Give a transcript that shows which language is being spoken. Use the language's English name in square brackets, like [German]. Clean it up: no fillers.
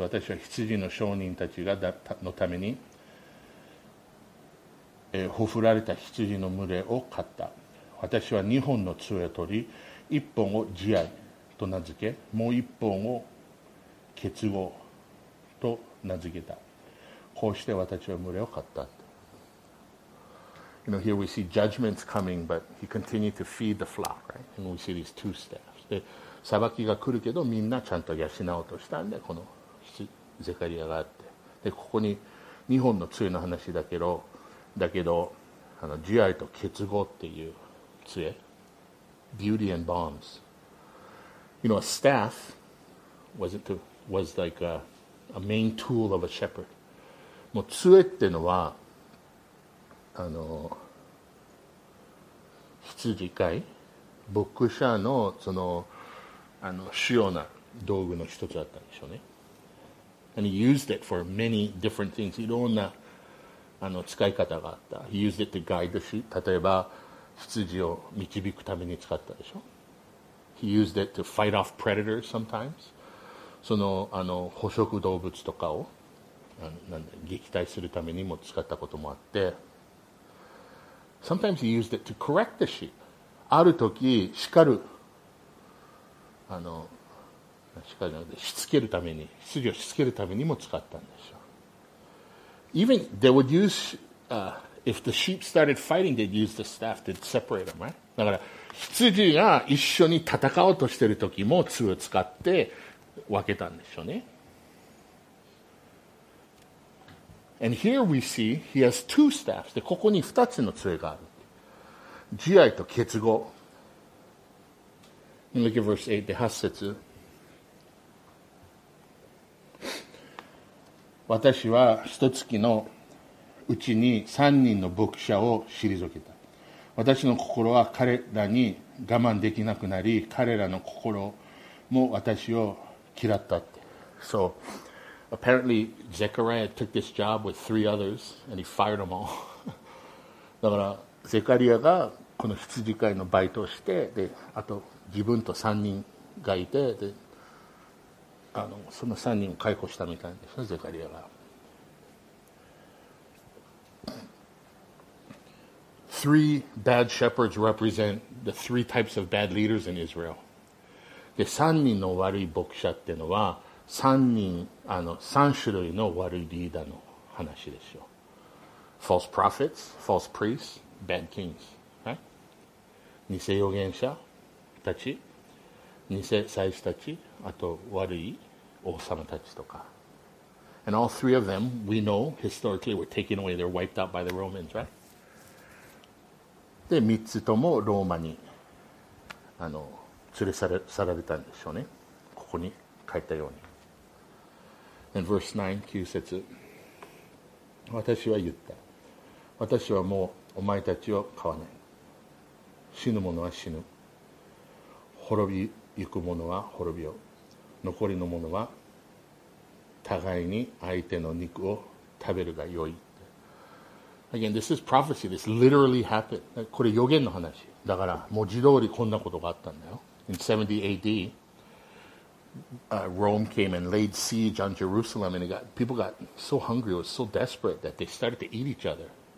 [Japanese] 私は羊の商人たちがのために、ほふられた羊の群れを飼った。私は二本の杖を取り、一本を慈愛と名付け、もう一本を結合と名付けた。こうして私は群れを飼った。 [English] You know, here we see judgments coming, but he continued to feed the flock, right? And we see these two steps. [Japanese] で、裁きが来るけど、みんなちゃんと養おうとしたんで、このゼカリアがあって。で、ここに二本の杖の話だけど、あの慈愛と結合っていう。 [English] Beauty and bombs. You know, a staff was like a main tool of a shepherd. [Japanese] もう杖ってのはあの羊飼い牧者のあの主要な道具の一つだったんでしょうね。 [English] And he used it for many different things. [Japanese] いろんなあの使い方があった。 [English] He used it to guide the sheep. [Japanese] 例えば羊を導くために使ったでしょ。 [English] He used it to fight off predators sometimes. [Japanese] その捕食動物とかをあのなんだ撃退するためにも使ったこともあって。 [English] Sometimes he used it to correct the sheep. [Japanese] ある時叱るあの叱るじゃなくてしつけるために羊をしつけるためにも使ったんでしょ。 [English] Even they would use If the sheep started fighting, they'd use the staff to separate them, right? [Japanese] だから羊が一緒に戦おうとしている時も杖を使って分けたんでしょうね。 [English] And here we see he has two staffs. [Japanese] で、ここに二つの杖がある。慈愛と結合。 [English] Look at verse 8, 8節。 [Japanese] 私は一月のうちに三人の牧者を退けた。私の心は彼らに我慢できなくなり、彼らの心も私を嫌ったって。 [English] So apparently Zechariah took this job with three others and he fired them all. [Japanese] だからゼカリアがこの羊飼いのバイトをして、であと自分と三人がいて、であのその三人を解雇したみたいですね、ゼカリアが。 [English] Three bad shepherds represent the three types of bad leaders in Israel. [Japanese] で、三人の悪い牧者っていうのは、三種類の悪いリーダーの話でしょう。 [English] False prophets, false priests, bad kings. Right? [Japanese] 偽預言者たち、偽祭司たち、あと悪い王様たちとか。 [English] And all three of them, we know, historically, were taken away. They were wiped out by the Romans, right? [Japanese] で三つともローマにあの連れ去られたんでしょうね。ここに書いたように。 [English] And verse 9, 9節。 [Japanese] 私は言った。私はもうお前たちを飼わない。死ぬ者は死ぬ。滅びゆく者は滅びよ。残りの者は互いに相手の肉を食べるがよい。 [English] Again, this is prophecy. This literally happened. [Japanese] これ予言の話。だから文字通りこんなことがあったんだよ。 [English] In 70 AD, Rome came and laid siege on Jerusalem, and people got so hungry, was so desperate that they started to eat each other.